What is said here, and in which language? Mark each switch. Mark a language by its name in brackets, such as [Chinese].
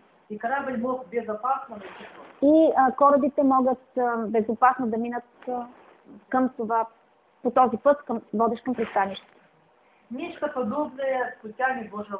[Russian] И корабль мог безопасно да [Bulgarian] и корабите могат безопасно да минат към това, по този път, към водещ към пристанище. [Russian] Нечто подобное с путями Божьего